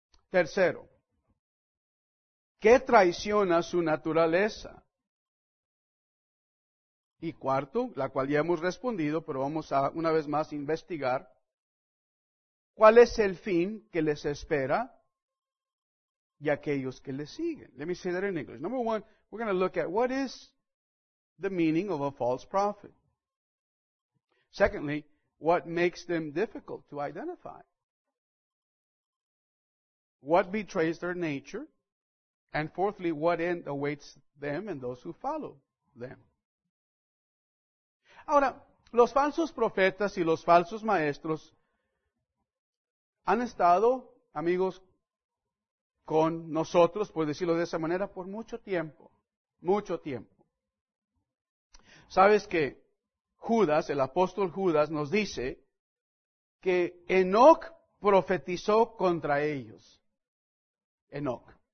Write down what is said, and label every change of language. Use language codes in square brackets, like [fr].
[es] Tercero, ¿qué traiciona su naturaleza? Y cuarto, la cual ya hemos respondido, pero vamos a una vez más investigar, ¿cuál es el fin que les espera y aquellos que les siguen? [en] Let me say that in English. Number one, we're going to look at what is the meaning of a false prophet. Secondly, what makes them difficult to identify? What betrays their nature? And fourthly, what end awaits them and those who follow them? [es] Ahora, los falsos profetas y los falsos maestros han estado, amigos, con nosotros, por decirlo de esa manera, por mucho tiempo. Mucho tiempo. Sabes que Judas, el apóstol Judas, nos dice que Enoch profetizó contra ellos. Enoch.